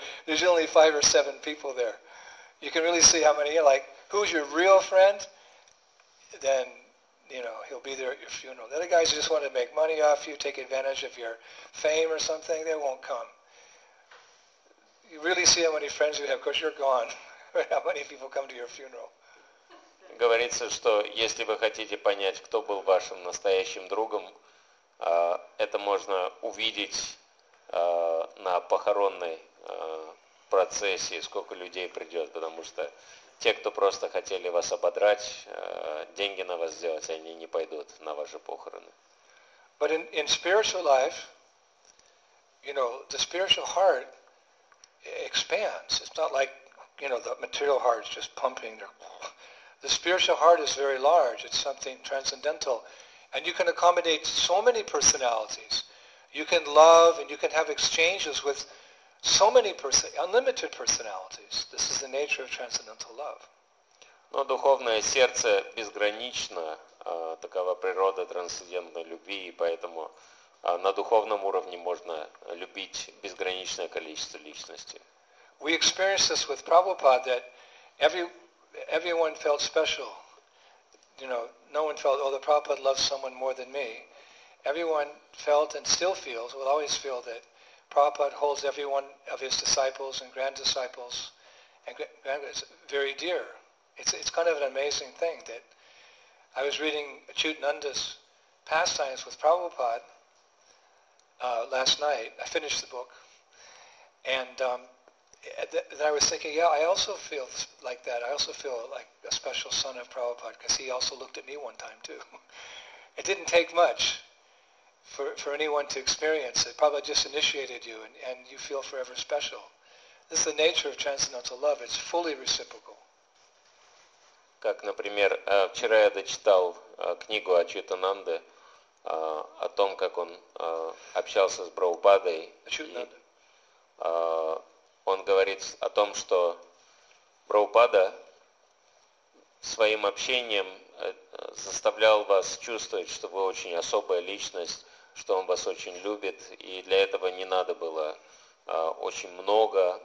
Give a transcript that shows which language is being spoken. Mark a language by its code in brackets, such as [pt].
[en] There's only five or seven people there. You can really see how many, like, who's your real friend? Then, you know, he'll be there at your funeral. The other guys who just want to make money off you, take advantage of your fame or something, they won't come. You really see how many friends you have, because you're gone. How many people come to your funeral? [ru] Говорится, что если вы хотите понять, кто был вашим настоящим другом, это можно увидеть на похоронной процессии, сколько людей придет, потому что те, кто просто хотели вас ободрать, деньги на вас сделать, они не пойдут на ваши похороны. [en] But in spiritual life, you know, the spiritual heart expands. It's not like, you know, the material heart is just pumping. The spiritual heart is very large. It's something transcendental. And you can accommodate so many personalities. You can love and you can have exchanges with So many unlimited personalities. This is the nature of transcendental love. [ru] Но духовное сердце безгранично, такова природа трансцендентной любви, и поэтому на духовном уровне можно любить безграничное количество личностей. [en] We experienced this with Prabhupada that everyone felt special. You know, no one felt, oh, the Prabhupada loves someone more than me. Everyone felt and still feels, will always feel that Prabhupada holds every one of his disciples and grand disciples and grandparents very dear. It's kind of an amazing thing that I was reading Achyutananda's pastimes with Prabhupada last night. I finished the book. And then I was thinking, yeah, I also feel like that. I also feel like a special son of Prabhupada because he also looked at me one time too. It didn't take much for anyone to experience it. Prabhupada just initiated you and you feel forever special. This is the nature of transcendental love. It's fully reciprocal. [ru] Как, например, вчера я дочитал книгу Ачьютананды о том, как он общался с Прабхупадой. Ачьютананда. Он говорит о том, что Прабхупада своим общением заставлял вас чувствовать, что вы очень особая личность, что он вас очень любит, и для этого не надо было очень много.